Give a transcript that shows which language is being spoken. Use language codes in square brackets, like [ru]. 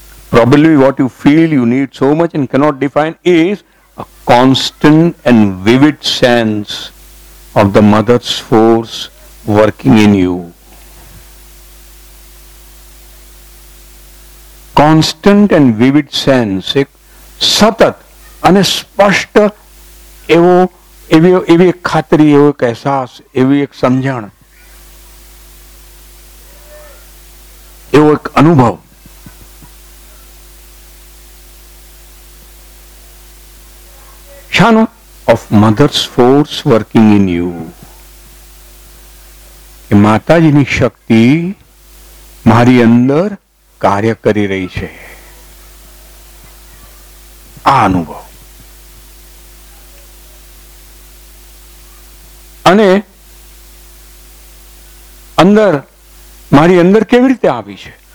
[en] Probably what you feel you need so much and cannot define is a constant and vivid sense of the mother's force working in you. Constant and vivid sense, [gu] એક સતત અને સ્પષ્ટ એવો એવી એક ખાતરી, એવો એક અહેસાસ, એવી એક સમજણ, એવો એક અનુભવ. [en] Of mother's force working in you. [gu] કે માતાજીની શક્તિ મારી અંદર કાર્ય કરી રહી છે. આ અનુભવ. અને અંદર મારી અંદર કેવી રીતે આવી છે?